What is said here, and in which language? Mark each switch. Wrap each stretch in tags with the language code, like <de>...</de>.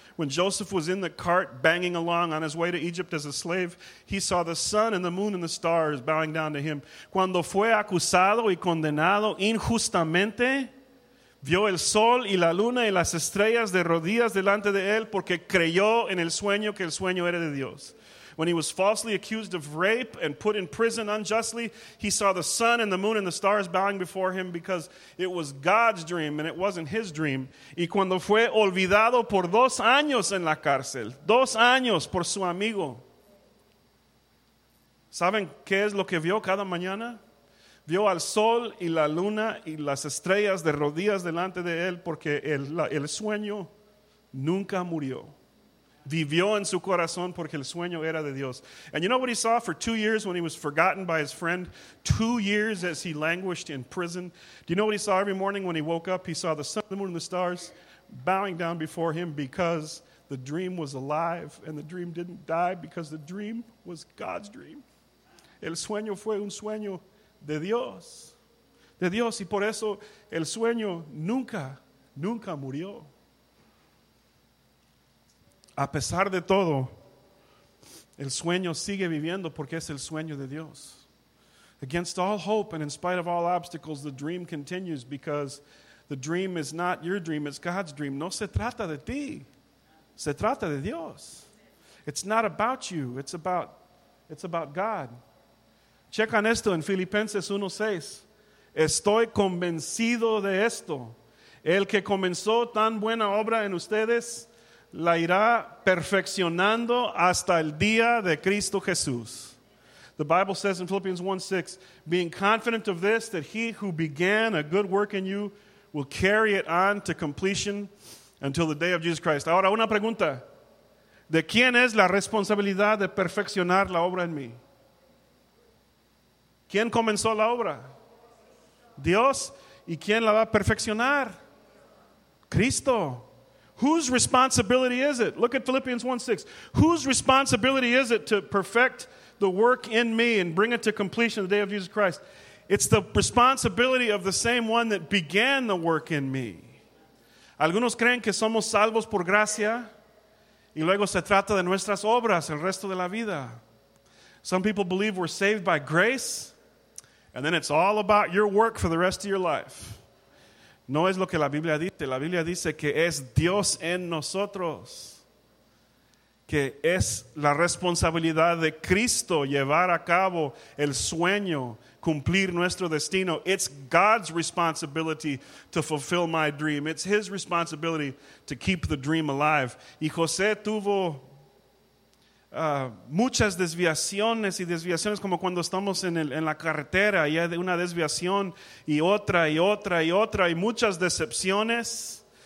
<en>When Joseph was in the cart banging along on his way to Egypt as a slave, he saw the sun and the moon and the stars bowing down to him.</en> <es>Cuando fue acusado y condenado injustamente, vio el sol y la luna y las estrellas de rodillas delante de él porque creyó en el sueño que el sueño era de Dios.</es> <en>When he was falsely accused of rape and put in prison unjustly, he saw the sun and the moon and the stars bowing before him because it was God's dream and it wasn't his dream.</en> <es>Y cuando fue olvidado por 2 años en la cárcel, 2 años por su amigo. ¿Saben qué es lo que vio cada mañana? Vio al sol y la luna y las estrellas de rodillas delante de él porque el sueño nunca murió. Vivió en su corazón porque el sueño era de Dios.</es> <en>And you know what he saw for 2 years when he was forgotten by his friend? 2 years as he languished in prison. Do you know what he saw every morning when he woke up? He saw the sun, the moon, and the stars bowing down before him because the dream was alive and the dream didn't die because the dream was God's dream.</en> <es>El sueño fue un sueño de Dios. De Dios. Y por eso el sueño nunca, nunca murió. A pesar de todo, el sueño sigue viviendo porque es el sueño de Dios.</es> <en>Against all hope and in spite of all obstacles, the dream continues because the dream is not your dream, it's God's dream.</en> <es>No se trata de ti, se trata de Dios.</es> <en>It's not about you, it's about God.</en> <es>Checa esto en Filipenses 1:6. Estoy convencido de esto. El que comenzó tan buena obra en ustedes la irá perfeccionando hasta el día de Cristo Jesús.</es> <en>The Bible says in Philippians 1:6, being confident of this, that he who began a good work in you will carry it on to completion until the day of Jesus Christ.</en> <es>Ahora, una pregunta. ¿De quién es la responsabilidad de perfeccionar la obra en mí? ¿Quién comenzó la obra? Dios. ¿Y quién la va a perfeccionar? Cristo.</es> <en>Whose responsibility is it? Look at Philippians 1:6. Whose responsibility is it to perfect the work in me and bring it to completion the day of Jesus Christ. It's the responsibility of the same one that began the work in me.</en> <es>Algunos creen que somos salvos por gracia y luego se trata de nuestras obras el resto de la vida.</es> <en>Some people believe we're saved by grace and then it's all about your work for the rest of your life.</en> <es>No es lo que la Biblia dice. La Biblia dice que es Dios en nosotros. Que es la responsabilidad de Cristo llevar a cabo el sueño, cumplir nuestro destino.</es> <en>It's God's responsibility to fulfill my dream. It's His responsibility to keep the dream alive.</en> <es>Y José tuvo muchas desviaciones y desviaciones, como cuando estamos en la carretera y hay una desviación y otra y otra y otra y muchas decepciones.</es>